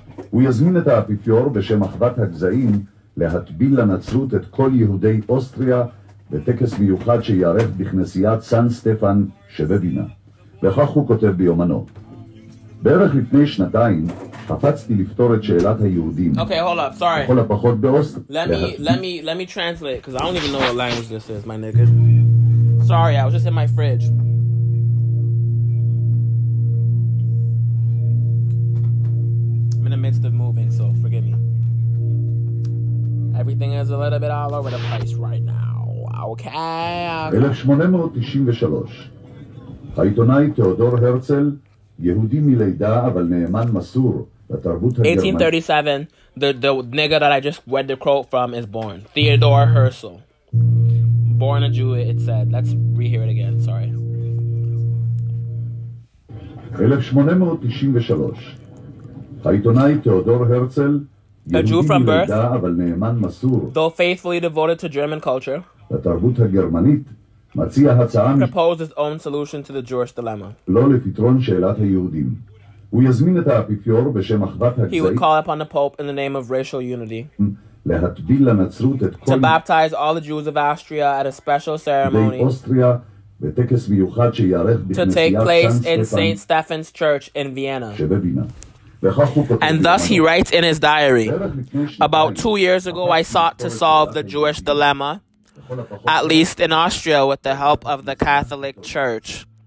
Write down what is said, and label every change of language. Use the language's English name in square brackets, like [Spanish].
[Hebrew] הוא יזמין את האפיפיור בשם אחוות הגזעים להטביל לנצרות את כל יהודי אוסטריה בטקס מיוחד שיערך בכנסיית סן סטפן שבבינה. וכך הוא כותב ביומנו. בערך לפני שנתיים, חפצתי לפתור את שאלת היהודים. [English] Okay, hold up, sorry. [Hebrew] בכל הפחות באוסטר. [English] Let me translate, because I don't even know what language this is, my nigga. Sorry, I was just in my fridge. I'm in the midst of moving, so forgive me. Everything is a little bit all over the place right now. Okay. 1893. [Hebrew] העיתונאי תיאודור הרצל, יהודי מלידה אבל נאמן מסור, [English] 1837, the nigga that I just read the quote from is born. Theodore Herzl. Born a Jew, it said. Let's rehear it again, sorry. [Hebrew] 1893. העיתונאי תיאודור הרצל, [English] a Jew from birth, [Hebrew] אבל נאמן מסור, [English] though faithfully devoted to German culture, [Hebrew] לתרבות הגרמנית, מציע הצעה, [English] proposed his own solution to the Jewish dilemma. [Hebrew] לא לפתרון שאלת היהודים. הוא יזמין את האפיפיור בשם אחוות הגזעים. [English] He would call upon the Pope in the name of racial unity. [Hebrew] להטביל לנצרות את כל, [English] to baptize all the Jews of Austria at a special ceremony. [Hebrew] באוסטריה, בטקס מיוחד שיערך [English] to take place in St. Stephen's Church in Vienna. [Hebrew] שבבינה. [English] And thus he writes in his diary, about 2 years ago I sought to solve the Jewish dilemma, at least in Austria, with the help of the Catholic Church.